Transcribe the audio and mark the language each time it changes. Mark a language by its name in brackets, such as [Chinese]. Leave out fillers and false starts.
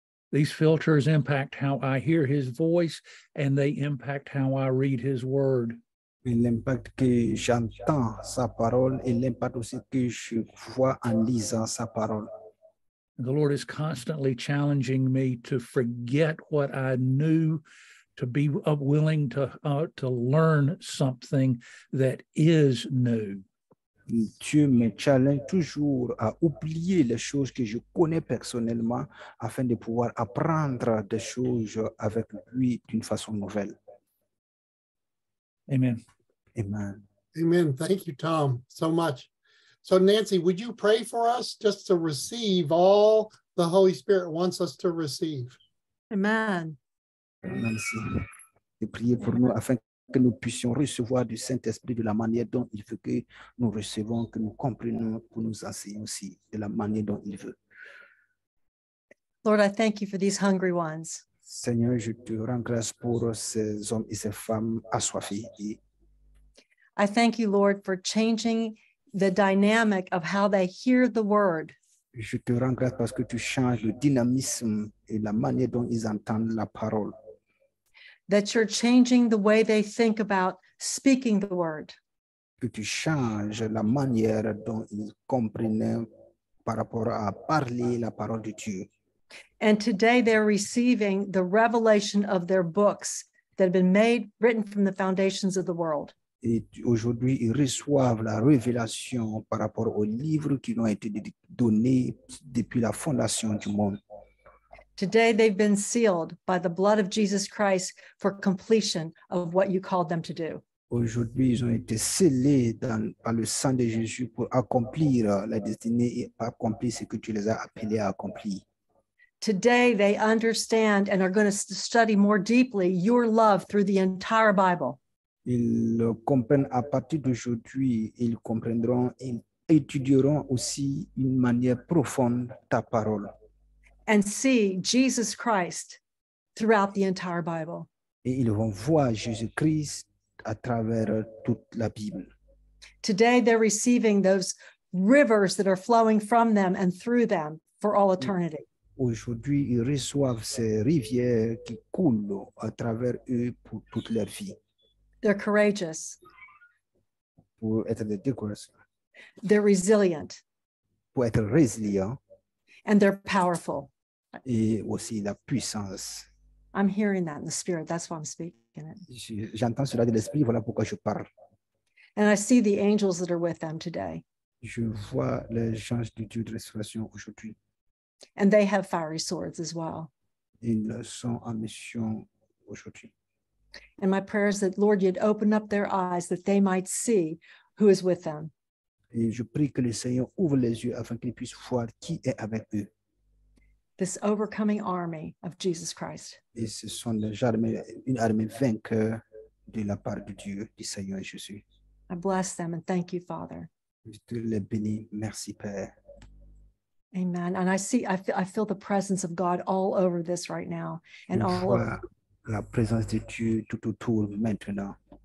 [English] These filters impact how I hear his voice and they impact how I read his word. [French] Et l'impact que j'entends sa parole et l'impact aussi que je vois en lisant sa parole. [English] The Lord is constantly challenging me to forget what I knew, to be willing to learn something that is new. [French] Dieu me challenge toujours à oublier les choses que je connais personnellement afin de pouvoir apprendre des choses avec lui d'une façon nouvelle. [English] Amen. Amen. Amen. Thank you, Tom, so much. So, Nancy, would you pray for us just to receive all the Holy Spirit wants us to receive? Amen. [French] Nancy, et priez pour nous afin que nous puissions recevoir du Saint-Esprit de la manière dont il veut que nous recevons, que nous comprenons, pour nous enseigner aussi de la manière dont il veut. [English] Lord, I thank you for these hungry ones. [French] Seigneur, je te rends grâce pour ces hommes et ces femmes assoiffés. [English] I thank you, Lord, for changing the dynamic of how they hear the word. [French] Je te rends grâce parce que tu changes le dynamisme et la manière dont ils entendent la parole. [English] That you're changing the way they think about speaking the word. [French] Que tu changes la manière dont ils comprennent par rapport à parler la parole de Dieu. [English] And today they're receiving the revelation of their books that have been made, written from the foundations of the world. [French] Et aujourd'hui, ils reçoivent la révélation par rapport aux livres qui ont été donnés depuis la fondation du monde. [English] Today, they've been sealed by the blood of Jesus Christ for completion of what you called them to do. [French] Aujourd'hui, ils ont été scellés dans, par le sang de Jésus pour accomplir la destinée et accomplir ce que tu les as appelés à accomplir. [English] Today, they understand and are going to study more deeply your love through the entire Bible. [French] Ils comprennent à partir d'aujourd'hui, ils comprendront, ils étudieront aussi une manière profonde ta parole. [English] And see Jesus Christ throughout the entire Bible. [French] Et ils vont voir Jésus-Christ à travers toute la Bible. [English] Today, they're receiving those rivers that are flowing from them and through them for all eternity. [French] Aujourd'hui, ils reçoivent ces rivières qui coulent à travers eux pour toute leur vie. [English] They're courageous. [French] Pour être des décourageurs. [English] They're resilient. [French] Pour être résilient. [English] And they're powerful. [French] Et aussi la puissance. [English] I'm hearing that in the spirit. That's why I'm speaking it. [French] J'entends cela de l'esprit. Voilà pourquoi je parle. [English] And I see the angels that are with them today. [French] Je vois les anges du Dieu de restauration aujourd'hui. [English] And they have fiery swords as well. [French] Ils sont en mission aujourd'hui. [English] And my prayer is that, Lord, you'd open up their eyes that they might see who is with them. [French] Et je prie que le Seigneur ouvre les yeux afin qu'ils puissent voir qui est avec eux. [English] This overcoming army of Jesus Christ. [French] Et ce sont les armées, une armée vainqueur de la part de Dieu, du Seigneur Jésus. [English] I bless them and thank you, Father. [French] Je te les bénis. Merci, Père. [English] Amen. And I feel the presence of God all over this right now. And [French] je [English] all [French] vois la présence de Dieu tout autour maintenant.